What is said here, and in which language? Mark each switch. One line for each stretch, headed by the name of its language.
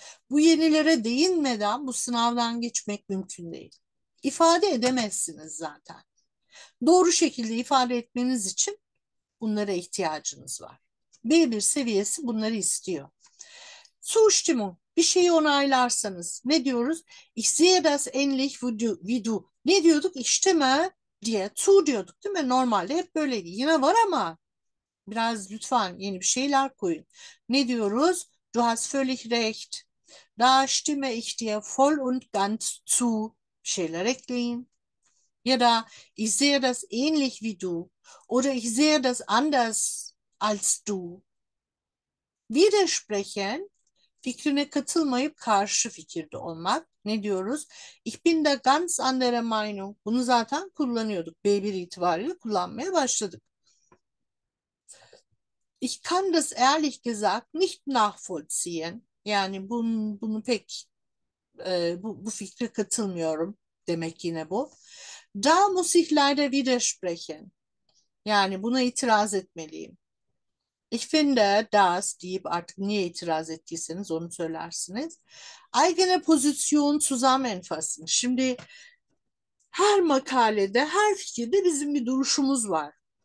Turkish: Bu yenilere değinmeden bu sınavdan geçmek mümkün değil. ifade edemezsiniz zaten. Doğru şekilde ifade etmeniz için bunlara ihtiyacınız var. B1 seviyesi bunları istiyor. Suçtimo, bir şeyi onaylarsanız ne diyoruz?
German: Ich sehe das ähnlich wie du.
Turkish: Ne diyorduk? İşteme diye. Tu diyorduk değil mi? Normalde hep böyleydi. Yine var ama biraz lütfen yeni bir şeyler koyun. Ne diyoruz?
German: Du hast völlig recht. Da stimme ich dir voll und ganz zu.
Turkish: Şeyler ekleyin. Ya da
German: ich sehe das ähnlich wie du. Oder ich sehe das anders als du.
Turkish: Widersprechen, fikrine katılmayıp karşı fikirde olmak. Ne diyoruz?
German: Ich bin da ganz anderer Meinung.
Turkish: Bunu zaten kullanıyorduk. B1 itibariyle kullanmaya başladık.
German: Ich kann das ehrlich gesagt nicht nachvollziehen.
Turkish: Yani bunu pek bu fikre katılmıyorum demek yine bu.
German: Da muss ich leider widersprechen.
Turkish: Yani buna itiraz etmeliyim.
German: Ich finde das
Turkish: deyip artık niye itiraz ettiyseniz onu söylersiniz.
German: Eigene Position zusammenfassen.
Turkish: Şimdi her makalede, her fikirde bizim bir duruşumuz var.